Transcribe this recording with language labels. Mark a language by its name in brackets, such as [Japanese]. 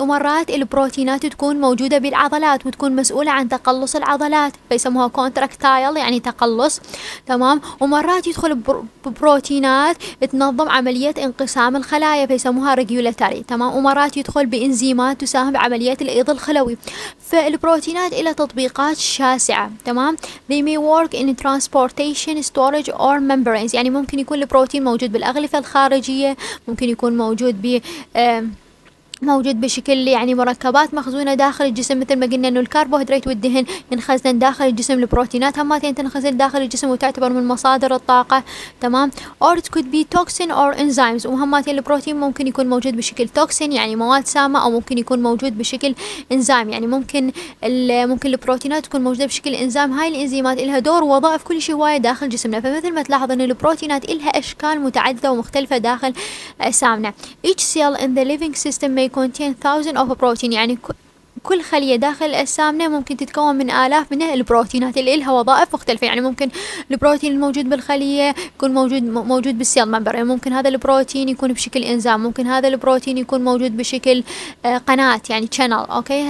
[Arabic] ومرات البروتينات تكون موجوده بالعضلات وتكون مسؤوله عن تقلص العضلات فيسموها كونتراكتايل، يعني تقلص، تمام. ومرات يدخل ببروتينات تنظم عمليه انقسام الخلايا فيسموها ريجولاتوري، تمام. ومرات يدخل بإنزيمات تساهم بعمليات الإيض الخلوي. فالبروتينات إلى تطبيقات شاسعة، تمام. [English] They may work in transportation, storage or membranes. [Arabic] يعني ممكن يكون البروتين موجود بالأغلفة الخارجية، ممكن يكون موجود موجود بشكل يعني مركبات مخزونة داخل الجسم، مثل ما قلنا إنه الكربوهيدرات والدهن ينخزن داخل الجسم، البروتينات هم تنخزن داخل الجسم وتعتبر من مصادر الطاقة، تمام. [English] or it could be toxin or enzymes. [Arabic] وهم البروتين ممكن يكون موجود بشكل توكسين، يعني مواد سامة، أو ممكن يكون موجود بشكل إنزيم. يعني ممكن البروتينات تكون موجودة بشكل إنزيم. هاي الإنزيمات إلها دور ووظائف كل شيء هواية داخل جسمنا. فمثل ما تلاحظ إن البروتينات إلها أشكال متعددة ومختلفة داخل أجسامنا. [English] each cell in the living system may contain thousands of protein. [Arabic] يعني كل خلية داخل أجسامنا ممكن تتكون من آلاف من البروتينات اللي لها وظائف مختلفة. يعني ممكن البروتين الموجود بالخلية يكون موجود بالسيل ممبر، يعني ممكن هذا البروتين يكون بشكل إنزام، ممكن هذا البروتين يكون موجود بشكل قناة، يعني channel، أوكي.